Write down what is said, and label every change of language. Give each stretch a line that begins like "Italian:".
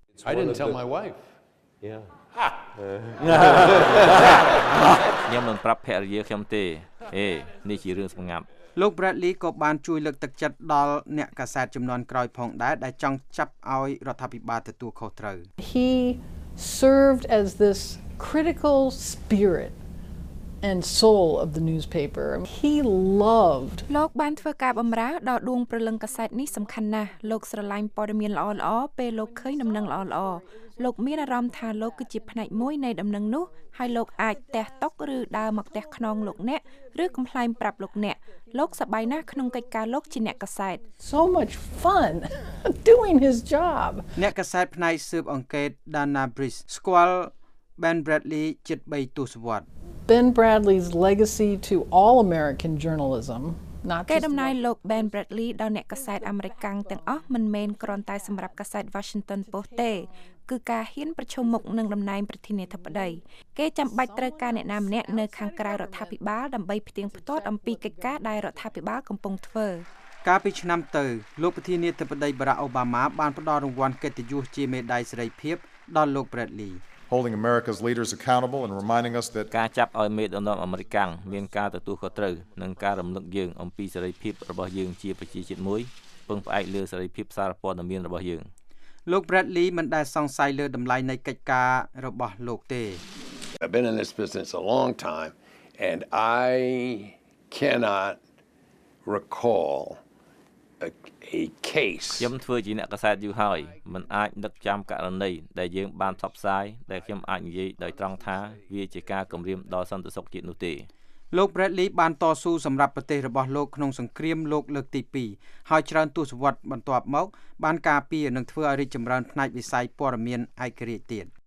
English: I didn't tell my wife
Khmer: ខ្ញុំមិនប្រាប់ភរិយាខ្ញុំទេហេនេះជារឿងសម្ងាត់លោក Bradley ក៏បានជួយលើកទឹកចិត្តដល់អ្នកកាសែតចំនួនក្រោយផងដែរដែលចង់ចាប់ឲ្យរដ្ឋាភិបាលទទួលខុសត្រូវ
English: He served as this critical spirit and soul of the newspaper He loved
Khmer: លោកបានធ្វើការបម្រើដល់ដួងព្រលឹងកាសែតនេះសំខាន់ណាស់លោកស្រឡាញ់ព័ត៌មានល្អល្អពេលលោកឃើញដំណឹងល្អល្អលោកមានអារម្មណ៍ថាលោកគឺជាផ្នែកមួយនៃដំណឹងនោះហើយលោកអាចទេះតុកឬដើរមកទេះខ្នងលោកអ្នកឬកំ plaign ប្រាប់លោកអ្នកលោកសប្បាយណាស់ក្នុងកិច្ចការលោកជាអ្នកកសែត
English: So much fun doing his job
Khmer: អ្នកកសែតផ្នែកស៊ើបអង្កេត Dana Bridge ស្គាល់ Ben Bradley ជិត3ទសវត្សរ៍
English: Ben Bradley's legacy to all American journalism
Khmer: កេរដំណែលលោក Ben Bradley ដល់អ្នកកសែតអាមេរិកកាំងទាំងអស់មិនមែនគ្រាន់តែសម្រាប់កសែត Washington Post ទេគឺការហ៊ានប្រឈមមុខនឹងដំណែងប្រធានាធិបតីគេចាំបាច់ត្រូវការអ្នកណាម្នាក់នៅខាងក្រៅរដ្ឋាភិបាលដើម្បីផ្ទៀងផ្ទាត់អំពីកិច្ចការដែលរដ្ឋាភិបាលកំពុងធ្វើ កាលពីឆ្នាំទៅលោកប្រធានាធិបតី Barack Obama បានផ្តល់រង្វាន់កិត្តិយសជាមេដាយសេរីភាពដល់លោក Bradley
English: Holding America's leaders accountable and reminding us that
Khmer: ការចាប់ឲ្យមេដឹកនាំអាមេរិកមានការទទួលខុសត្រូវនឹងការរំលឹកយើងអំពីសេរីភាពរបស់យើងជាប្រជាជាតិមួយពឹងផ្អែកលើសេរីភាពសារព័ត៌មានរបស់យើង លោក Bradley មិនដែលសង្ស័យលើតម្លៃនៃកិច្ចការរបស់លោកទេ
English: I've been in this business a long time and I cannot recall a case
Khmer: ខ្ញុំធ្វើជាអ្នកកសែតយូរហើយមិនអាចនឹកចាំករណីដែលយើងបានផ្សព្វផ្សាយដែលខ្ញុំអាចនិយាយដោយត្រង់ថាវាជាការគំរាមដល់សន្តិសុខជាតិនោះទេ លោក Bradley បានតស៊ូសម្រាប់ប្រទេសរបស់លោកក្នុងសង្គ្រាមលោកលើកទី2ហើយច្រើនទស្សវត្សបន្ទាប់មកបានការពារនិងធ្វើឲ្យរីកចម្រើនផ្នែកវិស័យព័ត៌មានឯករាជ្យទៀត